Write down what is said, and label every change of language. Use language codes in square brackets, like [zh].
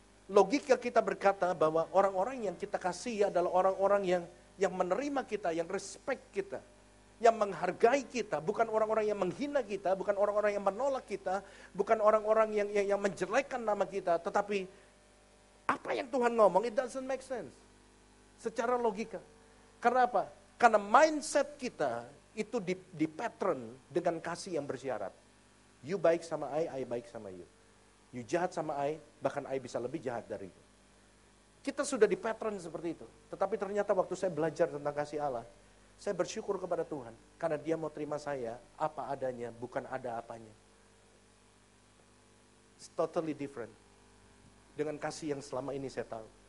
[id] Logika kita berkata bahwa orang-orang yang kita kasihi adalah orang-orang yang menerima kita, yang respect kita, yang menghargai kita, bukan orang-orang yang menghina kita, bukan orang-orang yang menolak kita, bukan orang-orang yang menjelekkan nama kita, tetapi apa yang Tuhan ngomong, [en] it doesn't make sense. [id] Secara logika. Karena apa? Karena mindset kita itu di pattern dengan kasih yang bersyarat. You baik sama I baik sama you. You jahat sama I, bahkan I bisa lebih jahat dari you. Kita sudah di pattern seperti itu. Tetapi ternyata waktu saya belajar tentang kasih Allah, saya bersyukur kepada Tuhan karena dia mau terima saya apa adanya, bukan ada apanya. [en] It's totally different. [id] Dengan kasih yang selama ini saya tahu.